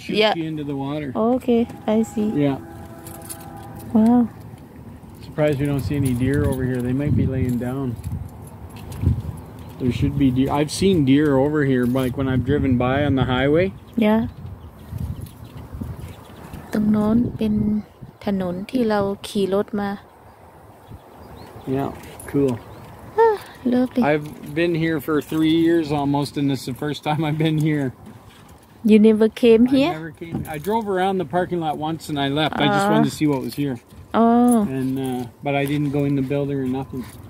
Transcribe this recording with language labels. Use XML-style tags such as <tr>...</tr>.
<en>shoots you into the water. Okay, I see. Yeah. Wow. Surprised we don't see any deer over here. They might be laying down. There should be deer. I've seen deer over here, like when I've driven by on the highway. Yeah.</en> <th>ตรงนั้นเป็นถนนที่เราขี่รถมา</th> <en>Yeah. Cool. Lovely. I've been here for 3 years almost, and this is the first time I've been here. You never came here? I never came. I drove around the parking lot once and I left. I just wanted to see what was here. Oh. And, but I didn't go in the building or nothing.</en>